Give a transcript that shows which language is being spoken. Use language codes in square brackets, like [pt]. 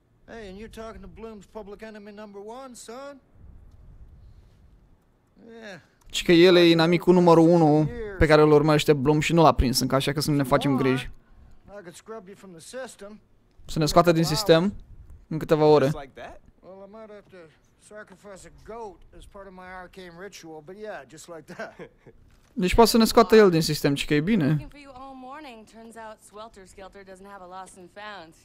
[en] Hey, and you're talking to Bloom's public enemy number one, son? Yeah. [ro] Și că el e inamicul numărul 1 pe care îl urmărește Bloom și nu l-a prins încă, așa că să nu ne facem griji. [en] I could scrub you from the system. [ro] Să ne scoată din sistem în câteva ore. [en] Well, I might have to... sacrifice a goat as part of my arcane ritual, but yeah, just like that. [ro] Deci poate să ne scoată el din sistem, ci că e bine. [en] Turns out Swelter Skelter doesn't have a lost and found.